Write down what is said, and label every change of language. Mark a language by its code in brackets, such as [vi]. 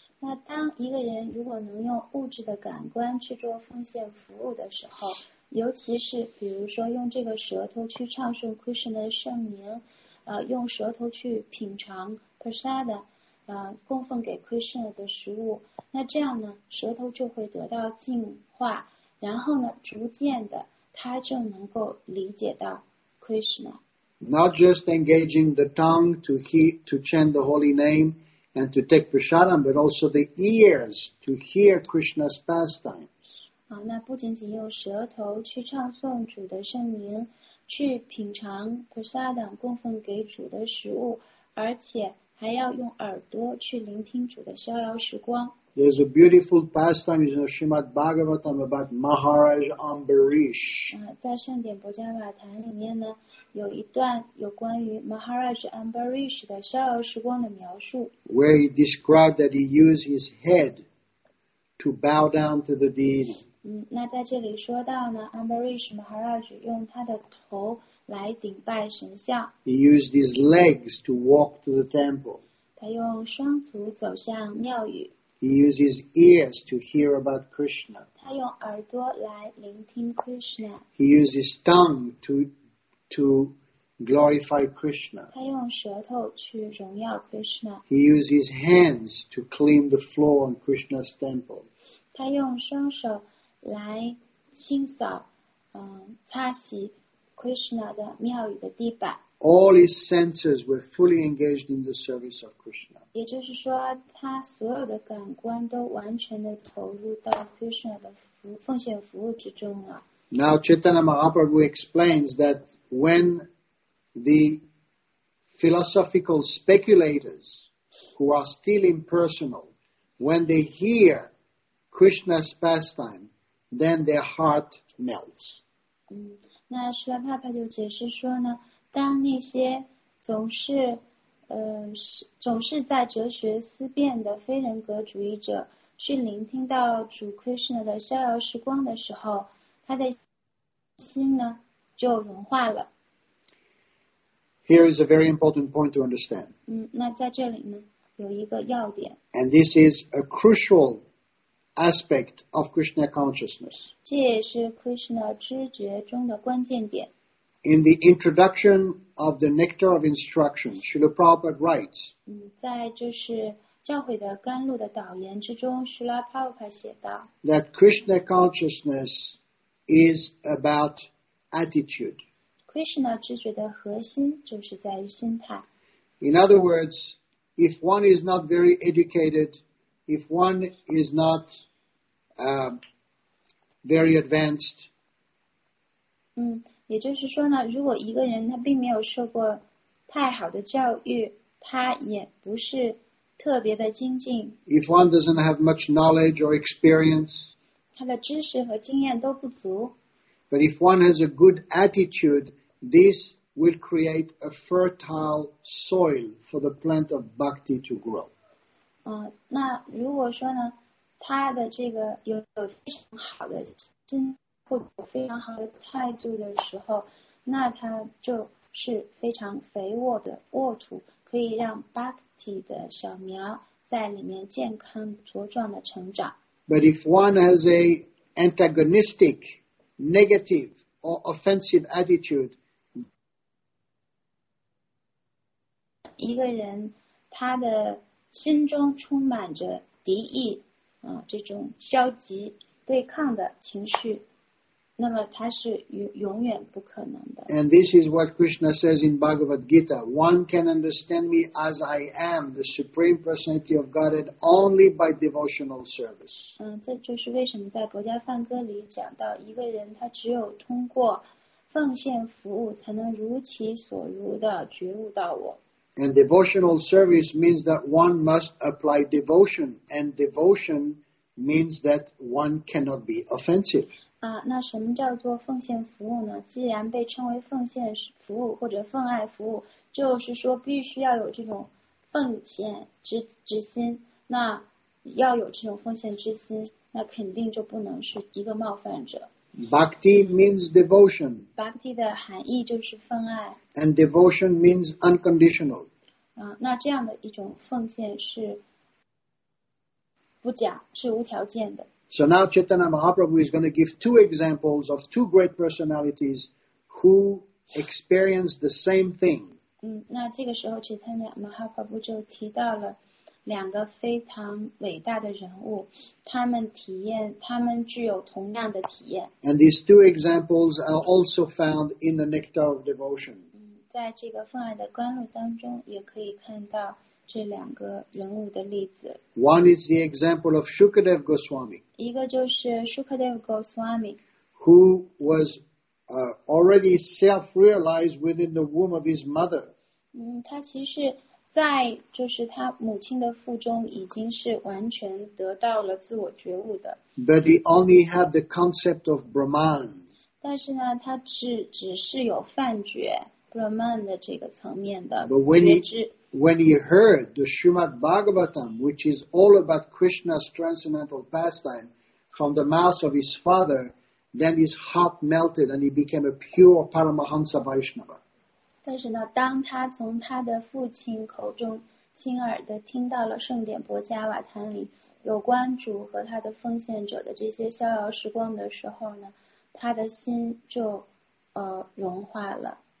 [zh] 那当一个人如果能用物质的感官去做奉献服务的时候，尤其是比如说用这个舌头去唱诵 Krishna 的圣名，用舌头去品尝 Prasada， 供奉给 Krishna 的食物，那这样呢，舌头就会得到净化，然后呢，逐渐的他就能够理解到 Krishna。 [en] Not just engaging the tongue to hear to chant the holy name and to take prasadam, but also the ears to hear Krishna's pastimes. [zh] 好，那不仅仅用舌头去唱诵主的圣名，去品尝 prasadam 供奉给主的食物，而且还要用耳朵去聆听主的逍遥时光。 [en] There's a beautiful pastime in Srimad Bhagavatam about Maharaj Ambarish. [zh] 在圣典伯加瓦坛里面呢，有一段有关于 Maharaj Ambarish 的逍遥时光的描述。 [en] Where he described that he used his head to bow down to the deity. [zh] 那在这里说到呢 ，Ambarish Maharaj 用他的头来顶拜神像。 [en] He used his legs to walk to the temple. [zh] 他用双足走向庙宇。 [en] He used his ears to hear about Krishna. [zh] 他用耳朵来聆听 Krishna. [en] He used his tongue to glorify Krishna. [zh] 他用舌头去荣耀 Krishna. [en] He used his hands to clean the floor in Krishna's temple. [zh] 他用双手来清扫，擦洗 Krishna 的庙宇的地板。 [en] All his senses were fully engaged in the service of Krishna. [zh] 也就是说，他所有的感官都完全的投入到 Krishna 的奉献服务之中了。 [en] Now Chaitanya Mahaprabhu explains that when the philosophical speculators who are still impersonal, when they hear Krishna's pastime, then their heart melts. [zh] 那释迦牟尼佛就解释说呢。当那些总是在哲学思辨的非人格主义者去聆听到主 Krishna 的逍遥时光的时候，他的心呢就融化了。 [en] Here is a very important point to understand. [zh] 那在这里呢有一个要点。 [en] And this is a crucial aspect of Krishna consciousness. [zh] 这也是 Krishna 知觉中的关键点。 [en] In the introduction of the Nectar of Instruction, Srila Prabhupada writes, [zh] 在就是教诲的甘露的导言之中 Srila Prabhupada 写道 [en] that Krishna consciousness is about attitude. [zh] Krishna 知觉的核心就是在于心态。 [en] In other words, if one is not very educated, if one is not very advanced, [zh] 也就是说呢，如果一个人他并没有受过太好的教育，他也不是特别的精进。 [en] If one doesn't have much knowledge or experience, [zh] 他的知识和经验都不足。 [en] But if one has a good attitude, this will create a fertile soil for the plant of bhakti to grow. [zh] 那如果说呢，他的这个有非常好的心。或者非常好的态度的时候，那它就是非常肥沃的沃土，可以让 Bhakti 的小苗在里面健康茁壮的成长。 [en] But if one has a antagonistic, negative or offensive attitude, [zh] 一个人他的心中充满着敌意，这种消极对抗的情绪。那么它是永远不可能的。 [en] And this is what Krishna says in Bhagavad Gita. One can understand me as I am, the Supreme Personality of Godhead, only by devotional service. [zh] 这就是为什么在佛家梵歌里讲到，一个人他只有通过奉献服务，才能如其所如的觉悟到我。 [en] And devotional service means that one must apply devotion, and devotion means that one cannot be offensive. [zh] 那什么叫做奉献服务呢？既然被称为奉献服务或者奉爱服务，就是说必须要有这种奉献之心。那要有这种奉献之心，那肯定就不能是一个冒犯者。 [en] Bhakti means devotion. [zh] Bhakti 的含义就是奉爱。 [en] And devotion means unconditional. [zh] 那这样的一种奉献是不假，是无条件的。 [en] So now Chaitanya Mahaprabhu is going to give two examples of two great personalities who experienced the same thing. [zh] 那这个时候 Chaitanya Mahaprabhu 就提到了两个非常伟大的人物，他们具有同样的体验。 [en] And these two examples are also found in the Nectar of Devotion. [zh] 在这个奉爱的甘露当中也可以看到这两个人物的例子。 [en] One is the example of Shukadev Goswami. [zh] 一个就是 Shukadev Goswami. [en] Who was already self-realized within the womb of his mother. [zh] 他其实在就是他母亲的腹中已经是完全得到了自我觉悟的。 [en] But he only had the concept of Brahman. [zh] 但是呢他只是有幻觉 Brahman 的这个层面的觉知。 [en] When he heard the Srimad Bhagavatam, which is all about Krishna's transcendental pastime, from the mouth of his father, then his heart melted and he became a pure Paramahansa Vaishnava. [zh] 但是呢，当他从他的父亲口中亲耳地听到了圣典伯加瓦坛里有关主和他的奉献者的这些逍遥时光的时候呢，他的心就融化了。